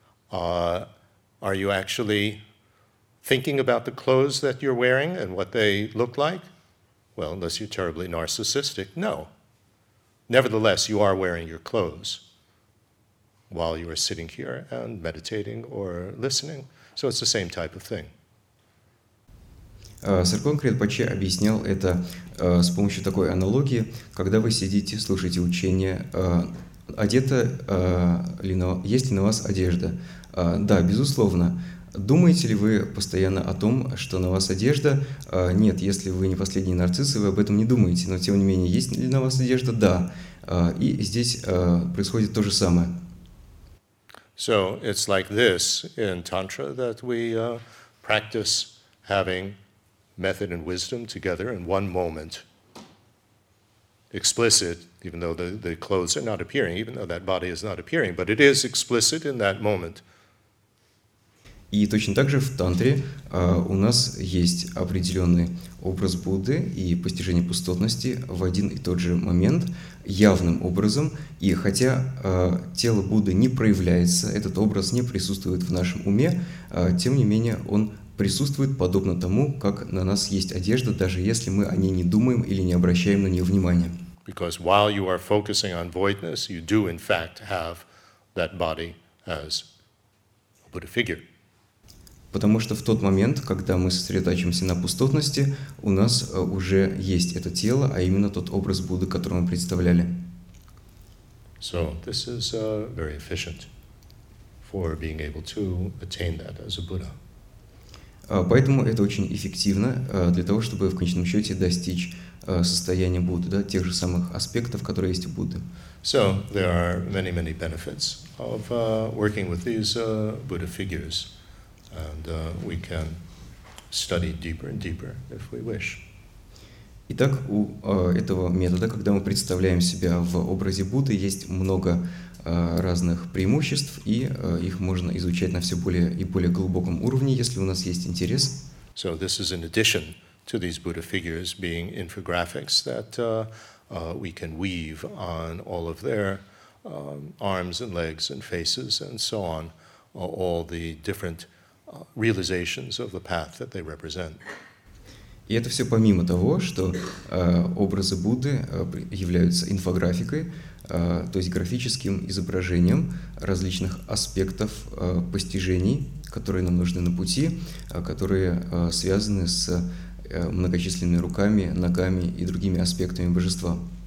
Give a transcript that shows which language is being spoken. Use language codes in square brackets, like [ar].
[en] Are you actually thinking about the clothes that you're wearing and what they look like? Well, unless you're terribly narcissistic, no. Nevertheless, you are wearing your clothes while you are sitting here and meditating or listening. So it's the same type of thing. [ru] Сарконг Кринпоче объяснял это с помощью такой аналогии. Когда вы сидите, слушаете учение, одета ли на, есть ли на вас одежда? Да, безусловно. Думаете ли вы постоянно о том, что на вас одежда? Нет, если вы не последний нарцисс, вы об этом не думаете. Но тем не менее, есть ли на вас одежда? Да. И здесь происходит то же самое. [en] So it's like this in Tantra that we practice having method and wisdom together in one moment. Explicit, even though the clothes are not appearing, even though that body is not appearing, but it is explicit in that moment. [ru] И точно так же в Тантре у нас есть определенный образ Будды и постижение пустотности в один и тот же момент, явным образом, и хотя тело Будды не проявляется, этот образ не присутствует в нашем уме, тем не менее он присутствует подобно тому, как на нас есть одежда, даже если мы о ней не думаем или не обращаем на нее внимания. [en] Because while you are focusing on voidness, you do in fact have that body as a Buddha figure. [ru] Потому что в тот момент, когда мы сосредотачиваемся на пустотности, у нас уже есть это тело, а именно тот образ Будды, который мы представляли. [en] So this is very efficient for being able to attain that as a Buddha. [ru] Поэтому это очень эффективно для того, чтобы в конечном счете достичь состояния Будды, да, тех же самых аспектов, которые есть у Будды. [en] So there are many, many benefits of working with these Buddha figures. And we can study deeper and deeper if we wish. [ru] Итак, у этого метода, когда мы представляем себя в образе Будды, есть много разных преимуществ, и их можно изучать на все более и более глубоком уровне, если у нас есть интерес. [en] So this is in addition to these Buddha figures being infographics that we can weave on all of their arms and legs and faces and so on, all the different realizations of the path that they represent. [ru] И это все помимо того, что образы Будды являются инфографикой, то есть графическим изображением различных аспектов постижений, которые нам нужны на пути, которые связаны с многочисленными руками, ногами и другими аспектами божества.